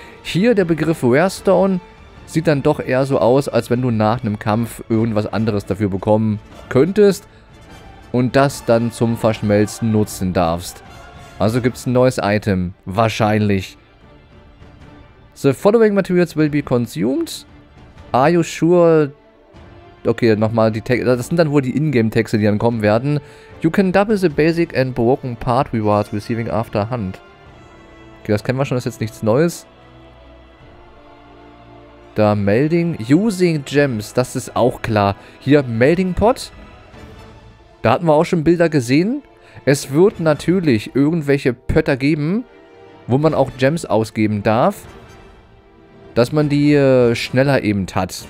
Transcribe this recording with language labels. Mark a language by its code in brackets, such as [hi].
[de] Hier der Begriff rare stone. Sieht dann doch eher so aus, als wenn du nach einem Kampf irgendwas anderes dafür bekommen könntest und das dann zum Verschmelzen nutzen darfst. Also gibt es ein neues Item. Wahrscheinlich. [en] The following materials will be consumed. Are you sure? [de] Okay, nochmal die Texte. Das sind dann wohl die Ingame-Texte, die dann kommen werden. [en] You can double the basic and broken part rewards receiving after hand. [de] Okay, das kennen wir schon, das ist jetzt nichts Neues. Da Melding, Using Gems, das ist auch klar. Hier Melding Pot, da hatten wir auch schon Bilder gesehen. Es wird natürlich irgendwelche Pötter geben, wo man auch Gems ausgeben darf, dass man die schneller eben hat.